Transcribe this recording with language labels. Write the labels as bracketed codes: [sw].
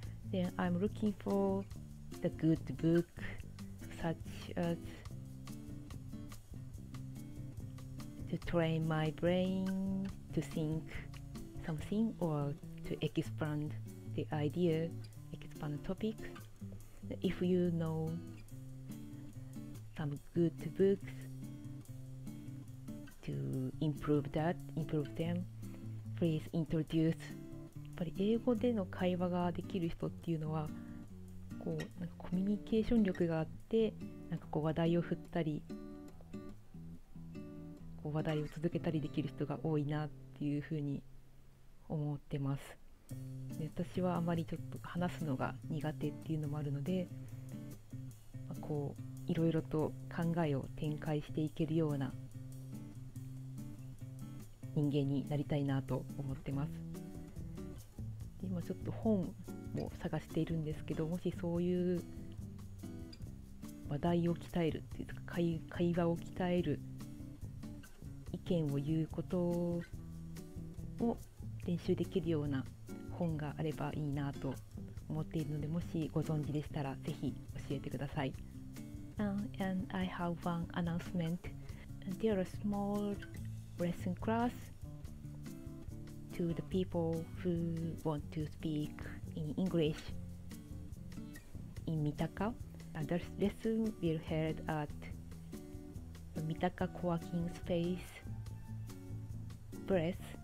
[en] Then I'm looking for the good book such as to train my brain to think something or to expand the idea, expand the topic. If you knowsome good books to improve them, please introduce. [ja] やっぱり英語での会話ができる人っていうのはこうなんかコミュニケーション力があって、なんかこう話題を振ったり、こう話題を続けたりできる人が多いなっていうふうに思ってます。で私はあまりちょっと話すのが苦手っていうのもあるので、まあ、こういろいろと考えを展開していけるような人間になりたいなと思ってます。で今ちょっと本も探しているんですけど、もしそういう話題を鍛えるっていうか、会話を鍛える、意見を言うことを練習できるような本があればいいなと思っているので、もしご存知でしたらぜひ教えてください。 [en] And I have one announcement. There are small lesson class to the people who want to speak in English in Mitaka. The lesson will be held at Mitaka Coworking Space Breath.